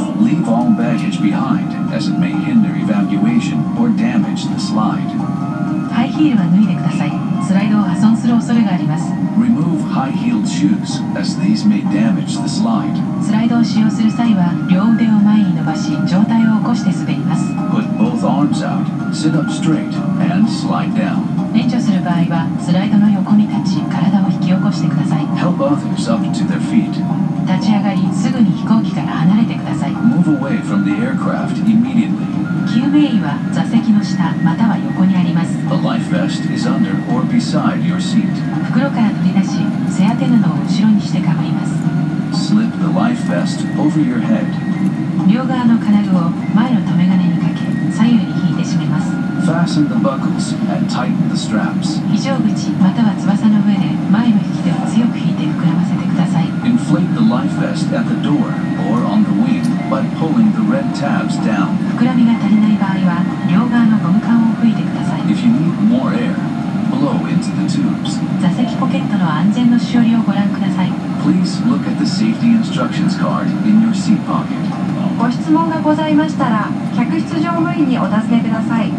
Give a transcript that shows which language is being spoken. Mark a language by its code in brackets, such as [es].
[en] Leave all baggage behind, as it may hinder evacuation or damage the slide. [ja] ハイヒールは脱いでください。スライドを破損する恐れがあります。 [en] Remove high-heeled shoes, as these may damage the slide. [ja] スライドを使用する際は、両腕を前に伸ばし、上体を起こして滑ります。 [en] Put both arms out, sit up straight, and slide down. [ja] 免除する場合は、スライドの横に立ち、体を引き起こしてください。 [en] Help others up to their feet. [ja] 立ち上がり、すぐに飛行機から離れてください。 [en] Move away from the aircraft immediately. [ja] 救命衣は座席の下または横にあります。 [en] A life vest is under or beside your seat. [ja] 袋から取り出し、背当て布を後ろにしてかぶります。 [en] Slip the life vest over your head. [ja] 両側の金具を前の留め金にかけ、左右に引いて締めます。 [en] Fasten the buckles and tighten the straps. [ja] 非常口または翼の上で前の引き手を強く引いて膨らませてください。 [en] Inflate the life vest at the door or on the wing. By pulling the red tabs down. [ja] 膨らみが足りない場合は、両側のゴム管を吹いてください。 [en] If you need more air, blow into the tubes. [ja] 座席ポケットの安全のしおりをご覧ください。 [en] Please look at the safety instructions card in your seat pocket. [ja] ご質問がございましたら、客室乗務員にお尋ねください。